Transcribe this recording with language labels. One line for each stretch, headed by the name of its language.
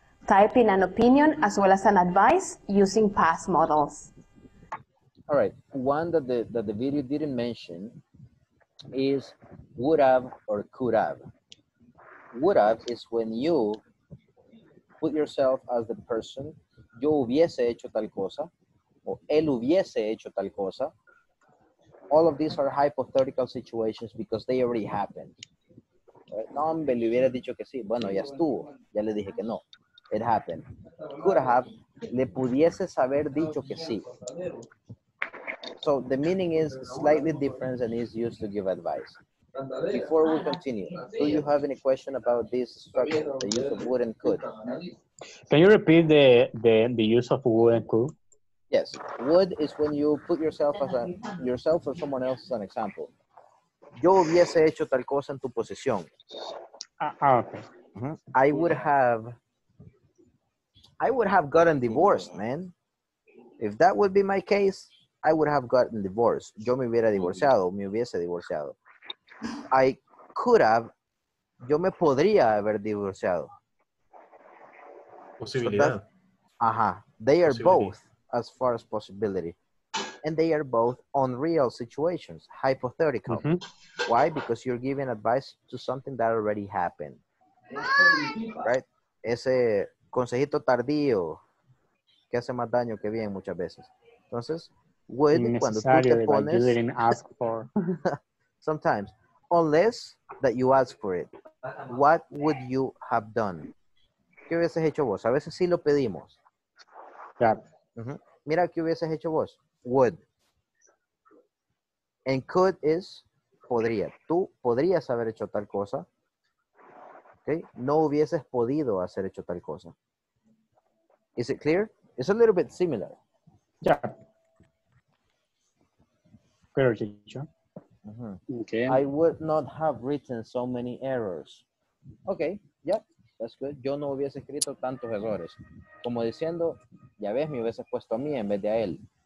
English: Type in an opinion as well as an advice using past models. All right. One that the video didn't mention is would have or could have. Would have is when you put yourself as the person.
Spanish: Yo hubiese hecho tal cosa, o él hubiese hecho tal cosa.
English: All of these are hypothetical situations because they already happened.
Spanish: No, me le hubiera dicho que sí. Bueno, ya estuvo. Ya le dije que no.
English: It happened. Could have,
Spanish: le pudiese haber dicho que sí.
English: So the meaning is slightly different and is used to give advice. Before we continue, do you have any question about this structure, the use of would and could? Can you repeat the use of would and could? Yes. Would is when you put yourself as a yourself or someone else as an example.
Spanish: Yo hubiese hecho tal cosa en tu posición.
English: Okay. Mm-hmm. I would have gotten divorced, man. If that would be my case, I would have gotten divorced.
Spanish: Yo me hubiera divorciado, me hubiese divorciado.
English: I could have,
Spanish: yo me podría haber divorciado. Posibilidad.
English: Uh-huh. They are both as far as possibility. And they are both on real situations, hypothetical. Mm-hmm. Why? Because you're giving advice to something that already happened. Bye. Right?
Spanish: Ese consejito tardío que hace más daño que bien muchas veces. Entonces, would, cuando tú te pones...
English: You didn't ask for. Sometimes. Unless that you ask for it, what would you have done?
Spanish: ¿Qué hubieses hecho vos? A veces sí lo pedimos.
English: Yeah. Mm-hmm.
Spanish: Mira, ¿qué hubieses hecho vos? Would.
English: And could is
Spanish: podría. Tú podrías haber hecho tal cosa. Okay. No hubieses podido hacer hecho tal cosa.
English: Is it clear? It's a little bit similar. Yeah.
Spanish: Pero, teacher.
English: Mm-hmm. Okay. I would not have written so many errors. Okay, yeah, that's good.
Spanish: Yo no hubiese escrito tantos errores. Como diciendo, ya ves, me hubiese puesto a mí en vez de a él.